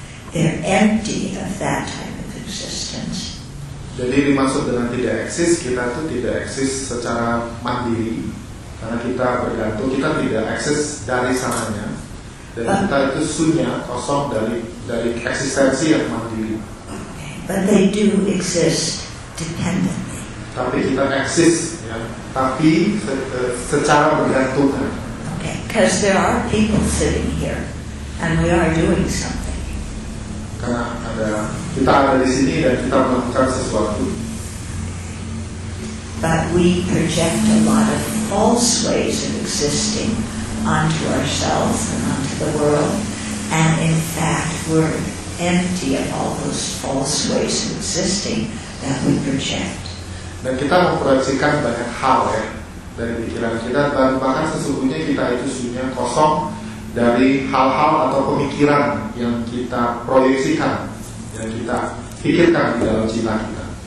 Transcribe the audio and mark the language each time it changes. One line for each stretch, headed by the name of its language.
English: They're empty of that type of existence.
Indonesian: Jadi dimaksud dengan tidak eksis, kita itu tidak eksis secara mandiri, karena kita bergantung, kita tidak eksis dari sananya, dan kita itu sunya, kosong dari eksistensi yang mandiri.
English: But they do exist dependently.
Indonesian: Tapi kita eksis, ya, tapi secara bergantungan.
English: Okay, because there are people sitting here, and we are doing something.
Indonesian: Karena kita ada di sini dan kita melakukan sesuatu.
English: But we project a lot of false ways of existing onto ourselves and onto the world, and in fact we're empty of all those false ways of existing that we project.
Indonesian: Dan kita memproyeksikan banyak hal ya dari pikiran kita, dan bahkan sesungguhnya kita itu sebenarnya kosong dari hal-hal atau pemikiran yang kita proyeksikan, yang kita pikirkan di dalam cita kita.